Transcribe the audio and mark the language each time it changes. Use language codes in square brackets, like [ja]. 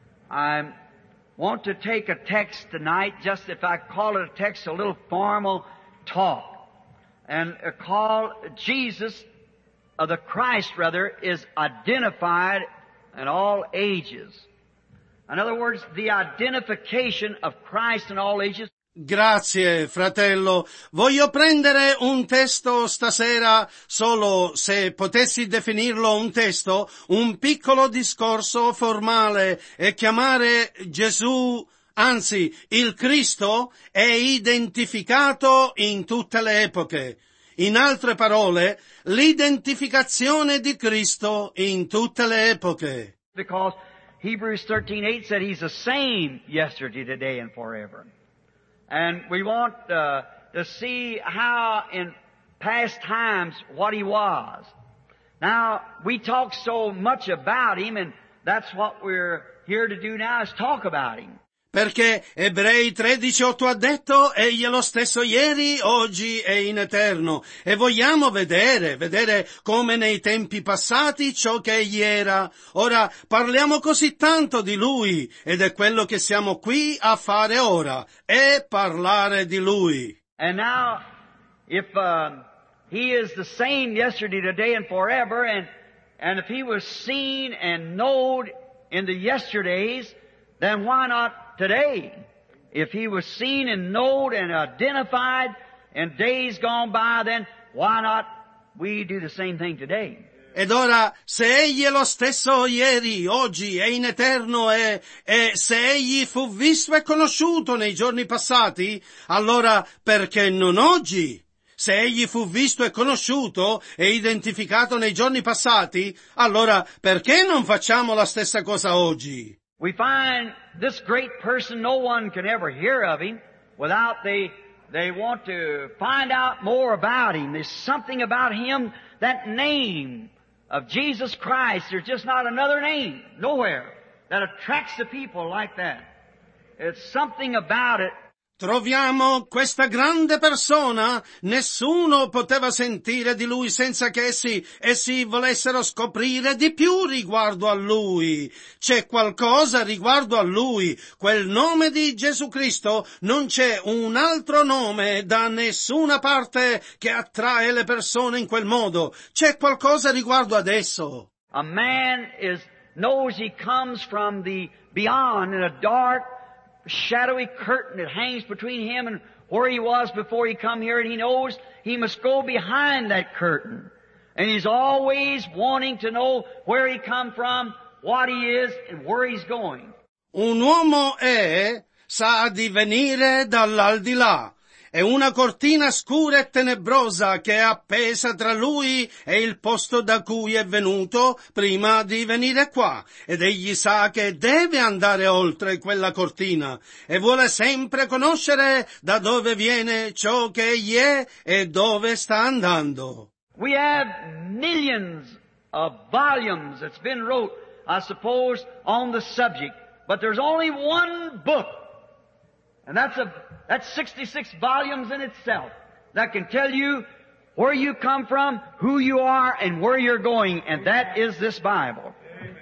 [en] I want to take a text tonight, just if I call it a text, a little formal talk, and call Jesus, or the Christ, rather, is identified in all ages. In other words, the identification of Christ in all ages. [it] Grazie, fratello. Voglio prendere un testo stasera, solo se potessi definirlo un testo, un piccolo discorso formale, e chiamare Gesù, anzi, il Cristo, è identificato in tutte le epoche. In altre parole, l'identificazione di Cristo in tutte le epoche. [en] Because Hebrews 13:8 said he's the same yesterday, today, and forever. And we want to see how in past times what he was. Now, we talk so much about him, and that's what we're here to do now is talk about him. [it] Perché Ebrei 13:8 ha detto, egli è lo stesso ieri, oggi e in eterno. E vogliamo vedere come nei tempi passati ciò che egli era. Ora, parliamo così tanto di lui, ed è quello che siamo qui a fare ora, è parlare di lui. [en] And now, if he is the same yesterday, today and forever, and if he was seen and known in the yesterdays, then why not today, if he was seen and known and identified in days gone by, then why not we do the same thing today? [it] Ed ora, se Egli è lo stesso ieri, oggi e in eterno, e se Egli fu visto e conosciuto nei giorni passati, allora perché non oggi? Se Egli fu visto e conosciuto e identificato nei giorni passati, allora perché non facciamo la stessa cosa oggi? [en] We find this great person, no one can ever hear of him without they want to find out more about him. There's something about him, that name of Jesus Christ, there's just not another name nowhere that attracts the people like that. It's something about it. [it] Troviamo questa grande persona, nessuno poteva sentire di lui senza che essi volessero scoprire di più riguardo a lui. C'è qualcosa riguardo a lui, quel nome di Gesù Cristo, non c'è un altro nome da nessuna parte che attrae le persone in quel modo. C'è qualcosa riguardo ad esso. [en] A man is knows he comes from the beyond in a dark shadowy curtain that hangs between him and where he was before he come here, and he knows he must go behind that curtain, and he's always wanting to know where he come from, what he is, and where he's going. [it] Un uomo è, sa di venire dall'aldilà. È una cortina scura e tenebrosa che è appesa tra lui e il posto da cui è venuto prima di venire qua. Ed egli sa che deve andare oltre quella cortina e vuole sempre conoscere da dove viene ciò che egli è e dove sta andando. [en] We have millions of volumes that's been wrote, I suppose, on the subject. But there's only one book, and that's 66 volumes in itself that can tell you where you come from, who you are, and where you're going, and that is this Bible. Amen.